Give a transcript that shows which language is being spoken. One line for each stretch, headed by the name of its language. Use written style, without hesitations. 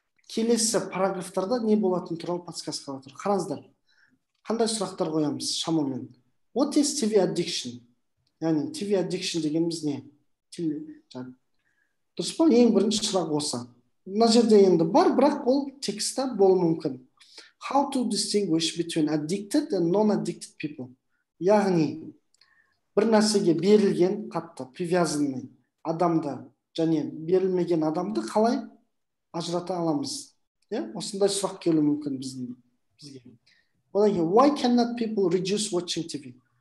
Kazakh: Келесі параграфтарда не болатын туралы подсказкалар тұр. Қараңыздар. Қандай сұрақтар қоямыз шамамен?
English: What is TV addiction?
Kazakh: Яғни TV addiction дегеніміз не? Дұрыс па? Ең бірінші сұрақ осы. Мына жерде енді бар, бірақ ол текстте болуы мүмкін.
English: How to distinguish between addicted and non-addicted people?
Kazakh: Яғни бір нәрсеге берілген қатты привязанный адамды және берілмеген адамды қалай ажырата аламыз? Осындай сұрақ келуі мүмкін бізге. Одан кейін,
English: why cannot people reduce watching TV?